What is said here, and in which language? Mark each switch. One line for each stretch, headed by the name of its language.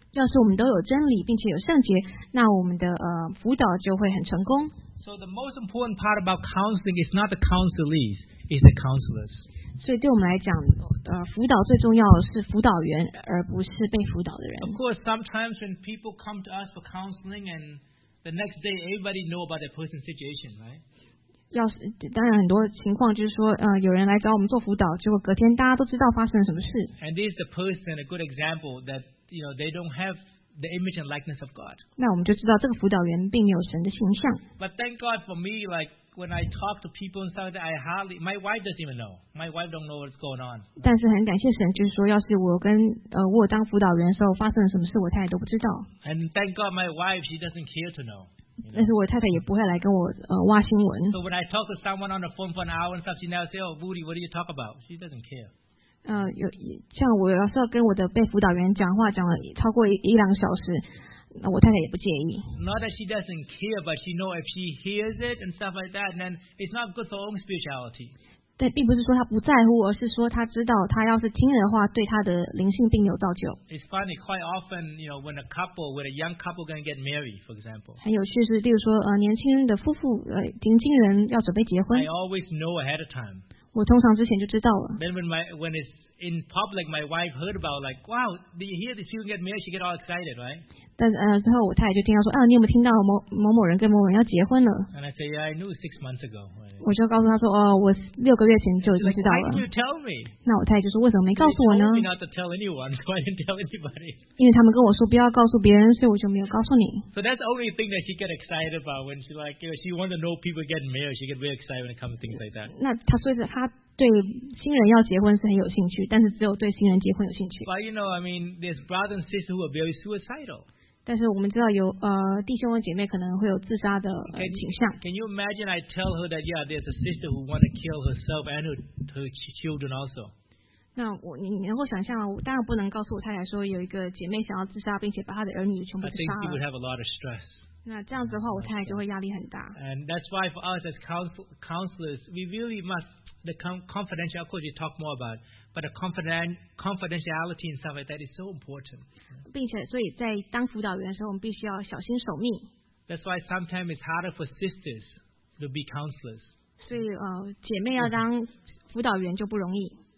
Chinese: 要是我们都有真理并且有圣洁，那我们的辅导就会很成功。
English: So the most important part about counseling is not the counselees, it's the counselors.
Chinese: 所以对我们来讲，辅导最重要的是辅导员，而不是被辅导的人。
English: Of course, sometimes when people come to us for counseling, and the next day everybody know about their personal situation, right?
Chinese: 要是当然很多情况就是说，有人来找我们做辅导，结果隔天大家都知道发生了什么事。
English: And this is the person a good example that you know they don't have the image and likeness of God.
Chinese: 那我们就知道这个辅导员并没有神的形象。
English: But thank God for me, like when I talk to people and stuff, I hardly my wife doesn't even know. My wife don't know what's going on.
Chinese: 但是很感谢神，就是说，要是我跟我当辅导员的时候发生了什么事，我太太都不知道。
English: And thank God my wife, she doesn't care to know.
Chinese: 但是我太太也不会来跟我挖新闻。
English: So when I talk to someone on the phone for an hour and stuff, she now say, "Oh, Woody, what do you talk about?" She doesn't care.
Chinese: 有像我要是要跟我的被辅导员讲话，讲了超过一两小时，那我太太也不介意。
English: Not that she doesn't care, but she know if she hears it and stuff like that, then it's not good for her own spirituality.
Chinese: 对，并不是说她不在乎，而是说她知道，她要是听了的话，对她的灵性并没有造就。
English: It's funny, quite often, you know, when a couple, when a young couple going to get married, for example.
Chinese: 很有趣是，例如说，年轻人的夫妇，年轻人要准备结婚。
English: I always know ahead of time.
Chinese: 我通常之前就知道了。
English: Then when it's in public, my wife heard about, like, wow, did you hear this? She get married, she get all excited, right?
Chinese: 但之后我太太就听到说，你有没有听到某人跟某人要结婚了？
English: And I say, yeah, I knew 6 months ago.
Chinese: 我就告诉他说，我六个月前就已经知道了。
English: Why didn't you tell me?
Chinese: 那我太太就说，为什么没告诉我呢？
English: Not to tell anyone. Why didn't tell anybody?
Chinese: 因为他们跟我说不要告诉别人，所以我就没有告诉你。
English: So that's the only thing that she get excited about when she like, you know, she want to know people get married. She get very excited when it comes to things like that.
Chinese: 那他说的他对新人要结婚是很有兴趣，但是只有对新人结婚有兴趣。
English: But you know, I mean, there's brothers and sisters who are very suicidal.
Chinese: 但是我们知道有弟兄和姐妹可能会有自杀的倾向。
English: Can you imagine I tell her that yeah, there's a sister who want to kill herself and her children also?
Chinese: 那我你能够想象，我当然不能告诉我太太说有一个姐妹想要自杀，并且把她的儿女全部杀了。
English: I think she would have a lot of stress.
Chinese: 那这样子的话，我太太就会压力很大。
English: And that's why for us as counselors, we really must the confidential. Of course, we talk more about. But the confidentiality and stuff like that is so important.
Chinese: 并且，所以在当辅导员的时候，我们必须要小心守密。
English: That's why sometimes it's harder for sisters to be counselors.
Chinese: 所以，姐妹要当辅导员就不容易。